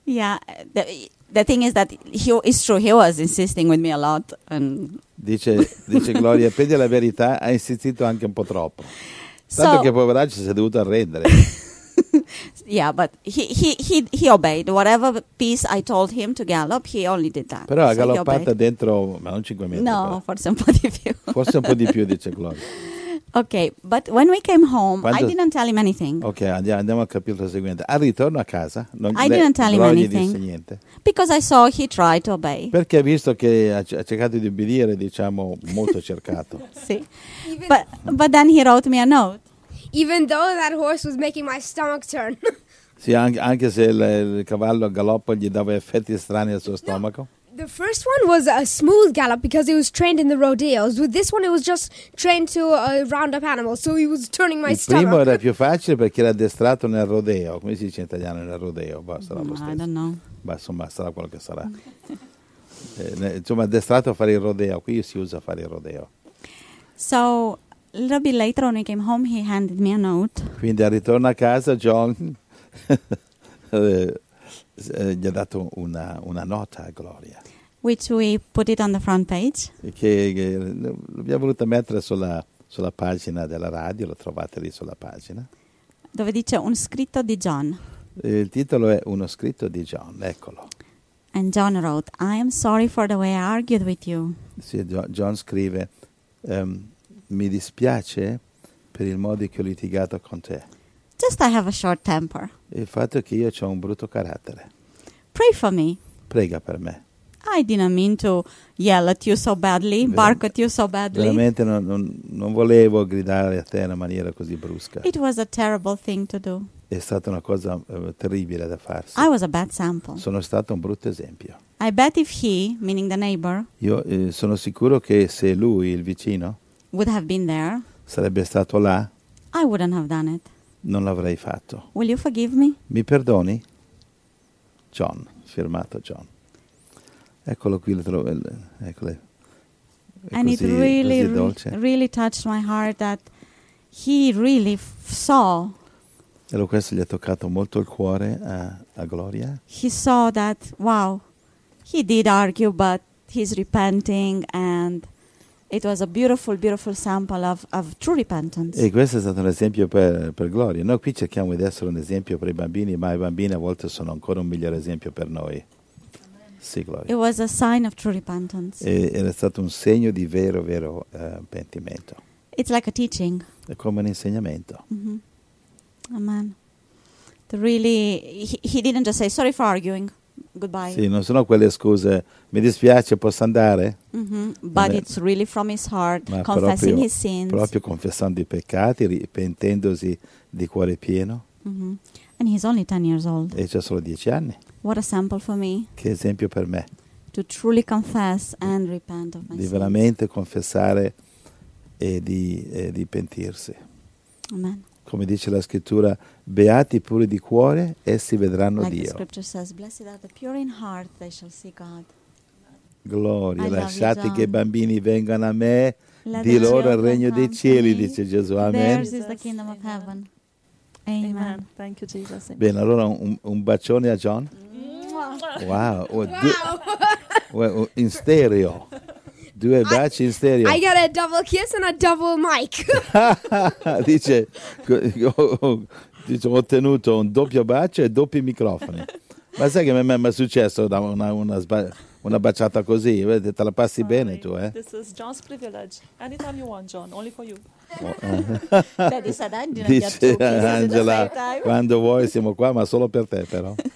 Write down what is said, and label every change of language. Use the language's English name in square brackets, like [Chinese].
[English] Yeah, the thing is that it's true, he was insisting with me a lot and [Italian] dice Gloria, per dire la verità, ha insistito anche un po' troppo. Tanto che poveraccio si è dovuto arrendere. [English] Yeah, but he obeyed whatever piece I told him to gallop. He only did that. [Italian] Però ha galoppata dentro, ma non 5 metri. No, però. Forse un po' di più. Forse un po' di più, dice Gloria. [English] Okay, but when we came home, I didn't tell him anything. [Italian] Okay, andiamo a capire la seguente. Al ritorno a casa, non [English] I didn't tell him anything. [Italian] Disse niente. [English] Because I saw he tried to obey. [Italian] Perché ha visto che ha cercato di obbedire, diciamo, molto cercato. [English] Sì. But then he wrote me a note. Even though that horse was making my stomach turn. [Italian] Sì, anche se il cavallo galoppo gli dava effetti strani al suo stomaco. [English] No, the first one was a smooth gallop because it was trained in the rodeos. With this one, it was just trained to round up animals, so he was turning my stomach. [Italian] Il primo era più facile perché era addestrato nel rodeo. Come si dice in italiano nel rodeo? Bah, sarà lo stesso. [English] I don't know. [Italian] Bah, insomma, sarà quello che sarà. insomma, addestrato a fare il rodeo. Qui si usa fare il rodeo. [English] So... A little bit later when he came home, he handed me a note. [Italian] Quindi al ritorno a casa, John gli ha dato una nota a Gloria. [English] Which we put it on the front page. [Italian] Che l'abbiamo voluta mettere sulla pagina della radio, lo trovate lì sulla pagina. Dove dice un scritto di John. Il titolo è uno scritto di John, eccolo. [English] And John wrote, I am sorry for the way I argued with you. [Italian] Sì, John scrive... mi dispiace per il modo in cui ho litigato con te. [English] Just I have a short temper. [Italian] Il fatto è che io ho un brutto carattere. [English] Pray for me. [Italian] Prega per me. [English] I didn't mean to yell at you so badly, bark at you so badly. [Italian] Veramente non volevo gridare a te in una maniera così brusca. [English] It was a terrible thing to do. [Italian] È stata una cosa terribile da farsi. [English] I was a bad sample. [Italian] Sono stato un brutto esempio. [English] I bet if he, meaning the neighbor. [Italian] Io sono sicuro che se lui, il vicino, [English] would have been there. [Italian] Sarebbe stato là. [English] I wouldn't have done it. [Italian] non l'avrei fatto. [English] Will you forgive me? [Italian] Mi perdoni? John, firmato John. Eccolo qui, lo trovo. Eccole. [English] And [Italian] così, [English] it really, really touched my heart that he really saw. [Italian] E lo questo gli ha toccato molto il cuore a Gloria. [English] He saw that, wow, he did argue, but he's repenting, and it was a beautiful, beautiful sample of true repentance. [Italian] E questo è stato un esempio per Gloria. Noi qui cerchiamo di essere un esempio per i bambini, ma i bambini a volte sono ancora un migliore esempio per noi. Sì, Gloria. [English] It was a sign of true repentance. [Italian] E era stato un segno di vero, vero pentimento. [English] It's like a teaching. [Italian] È come un insegnamento. [English] Mm-hmm. Amen. Really, he didn't just say sorry for arguing. Goodbye. [Italian] Sì, non sono quelle scuse. Mi dispiace, posso andare? [English] Mm-hmm. But it's really from his heart, [Italian] ma [English] confessing [Italian] proprio, [English] his sins. [Italian] Proprio confessando i peccati, ripentendosi di cuore pieno. [English] Mm-hmm. And he's only 10 years old. [Italian] E c'ha solo 10 anni. [English] What a sample for me. [Italian] Che esempio per me. [English] To truly confess and repent of my sins. [Italian] Di veramente confessare e di pentirsi. [English] Amen. [Italian] Come dice la scrittura, beati i puri di cuore, essi vedranno [English] like [Italian] Dio. [English] The scripture says, blessed are the pure in heart, they shall see God. [Italian] Gloria, [English] I [Italian] lasciate [English] you, [Italian] che i bambini vengano a me, di loro il regno dei cieli, dice Gesù. [English] Amen. Theirs is the kingdom of heaven. Amen. Amen. Thank you, Jesus. Amen. [Italian] Bene, allora un bacione a John. [English] Wow. [Italian] Wow. In stereo. Due baci in stereo. [English] I got a double kiss and a double mic. [Italian] Dice, ho ottenuto un doppio bacio e doppi microfoni. Ma sai che a me è mai successo una baciata così? Te la passi [English] Sorry. [Italian] Bene tu, eh? [English] This is John's privilege. Anytime you want, John. Only for you. [Italian] Dice Angela, quando vuoi siamo qua, ma solo per te però.